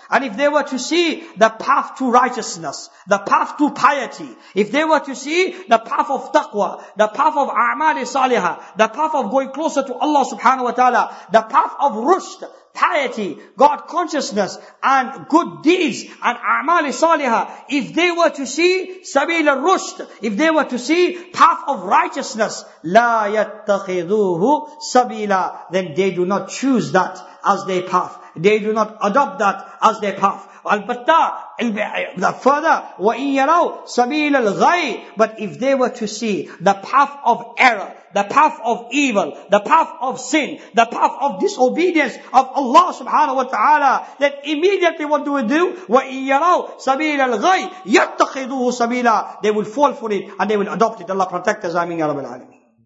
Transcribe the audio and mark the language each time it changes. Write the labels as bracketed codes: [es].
[en] And if they were to see the path to righteousness, the path to piety, if they were to see the path of taqwa, the path of a'mal salihah, the path of going closer to Allah subhanahu wa ta'ala, the path of rushd, piety, God consciousness, and good deeds, and a'mal salihah, if they were to see [ar] سَبِيلَ الرُّشْدِ, [en] if they were to see path of righteousness, [ar] لَا يَتَّخِذُوهُ سَبِيلًا, [en] then they do not choose that as their path. They do not adopt that as their path. Further, [ar] وَإِن يَرَوْا سَبِيلَ الْغَيْءِ. [en] But if they were to see the path of error, the path of evil, the path of sin, the path of disobedience of Allah subhanahu wa ta'ala, then immediately what do we do? [ar] وَإِن يَرَوْا سَبِيلَ الْغَيْءِ يَتَّخِذُوهُ سَبِيلًا. [en] They will fall for it and they will adopt it. Allah protect us. Ameen ya Rabbil Alameen.